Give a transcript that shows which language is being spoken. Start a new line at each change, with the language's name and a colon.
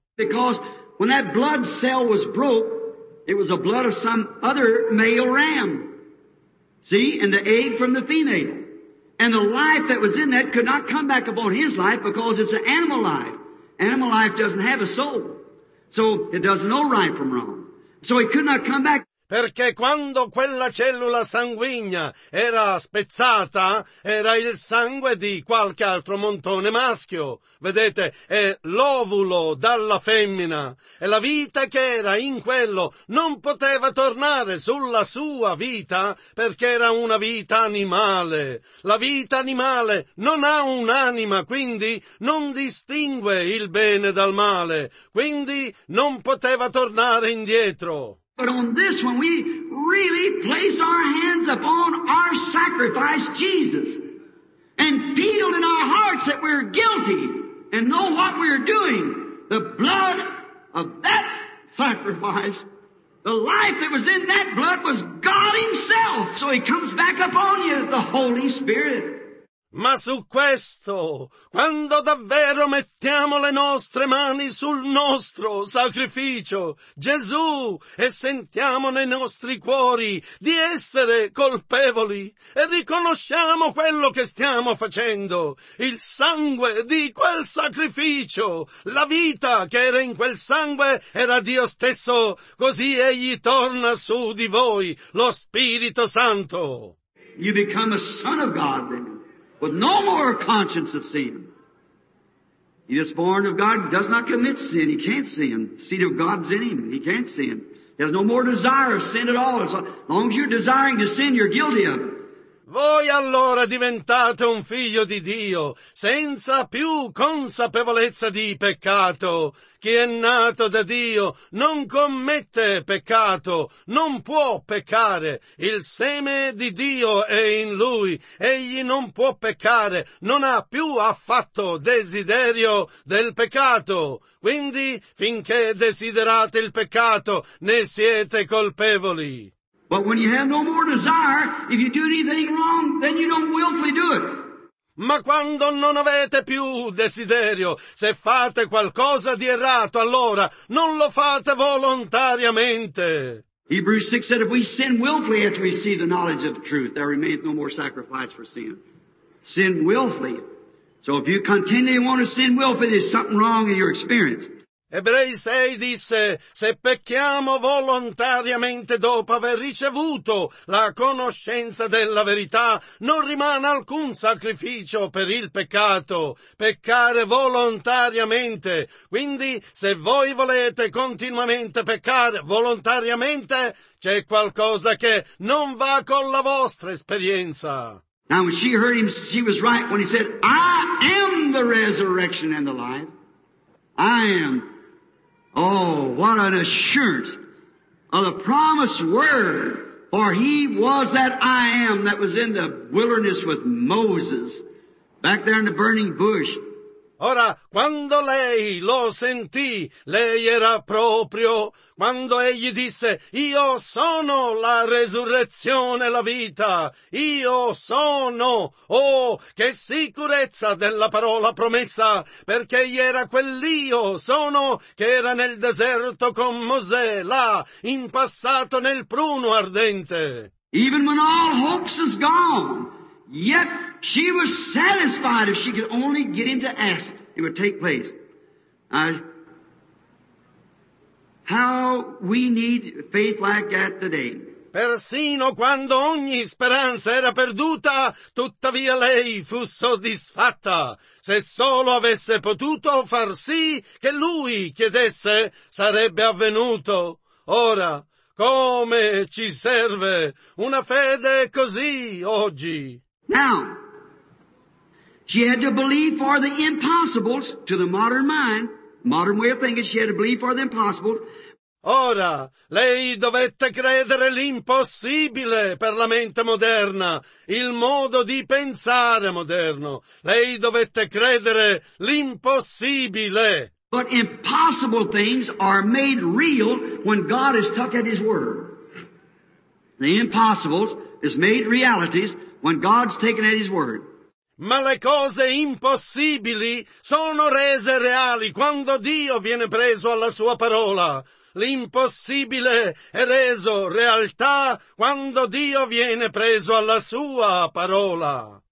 English: Because when that blood cell was broke, it was the blood of some other male ram. See, and the egg from the female. And the life that was in that could not come back upon his life because it's an animal life. Animal life doesn't have a soul. So it doesn't know right from wrong. So it could not come back.
Italian: Perché quando quella cellula sanguigna era spezzata, era il sangue di qualche altro montone maschio. Vedete, è l'ovulo dalla femmina. E la vita che era in quello non poteva tornare sulla sua vita perché era una vita animale. La vita animale non ha un'anima, quindi non distingue il bene dal male. Quindi non poteva tornare indietro.
English: But on this one, we really place our hands upon our sacrifice, Jesus, and feel in our hearts that we're guilty and know what we're doing. The blood of that sacrifice, the life that was in that blood was God Himself. So He comes back upon you, the Holy Spirit.
Italian: Ma su questo, quando davvero mettiamo le nostre mani sul nostro sacrificio, Gesù, e sentiamo nei nostri cuori di essere colpevoli, e riconosciamo quello che stiamo facendo, il sangue di quel sacrificio, la vita che era in quel sangue era Dio stesso, così egli torna su di voi, lo Spirito Santo.
English: You become a son of God then. With no more conscience of sin. He is born of God, does not commit sin, he can't sin. Seed of God's in him, he can't sin. He has no more desire of sin at all. As long as you're desiring to sin, you're guilty of it.
Italian: Voi allora diventate un figlio di Dio, senza più consapevolezza di peccato. Chi è nato da Dio non commette peccato, non può peccare. Il seme di Dio è in lui, egli non può peccare, non ha più affatto desiderio del peccato. Quindi, finché desiderate il peccato, ne siete colpevoli.
English: But when you have no more desire, if you do anything wrong, then you don't willfully do it.
Italian: Ma quando non avete più desiderio, se fate qualcosa di errato, allora non lo fate volontariamente.
English: Hebrews 6 said, if we sin willfully after we see the knowledge of the truth, there remains no more sacrifice for sin. Sin willfully. So if you continually want to sin willfully, there's something wrong in your experience.
Italian: Ebrei 6 disse, se pecchiamo volontariamente dopo aver ricevuto la conoscenza della verità, non rimane alcun sacrificio per il peccato. Peccare volontariamente. Quindi, se voi volete continuamente peccare volontariamente, c'è qualcosa che non va con la vostra esperienza.
English: Now when she heard him, she was right when he said, I am the resurrection and the life. I am. Oh, what an assurance of the promised word. For he was that I am that was in the wilderness with Moses, back there in the burning bush.
Italian: Ora, quando lei lo sentì, lei era proprio, quando egli disse, io sono la resurrezione e la vita, io sono, oh, che sicurezza della parola promessa, perché egli era quell'io sono che era nel deserto con Mosè, là, in passato nel pruno ardente.
English: Even when all hopes is gone, yet she was satisfied if she could only get him to ask, it would take place. How we need faith like that today.
Italian: Persino quando ogni speranza era perduta, tuttavia lei fu soddisfatta. Se solo avesse potuto far sì che lui chiedesse, sarebbe avvenuto. Ora, come ci serve una fede così oggi?
English: Now, she had to believe for the impossibles to the modern mind, modern way of thinking, she had to believe for the impossibles.
Italian: Ora, lei dovette credere l'impossibile per la mente moderna, il modo di pensare moderno. Lei dovette credere l'impossibile.
English: But impossible things are made real when God is stuck at his word. The impossibles is made realities when God's taken at his word.
Italian: Ma le cose impossibili sono rese reali quando Dio viene preso alla sua parola. L'impossibile è reso realtà quando Dio viene preso alla sua parola.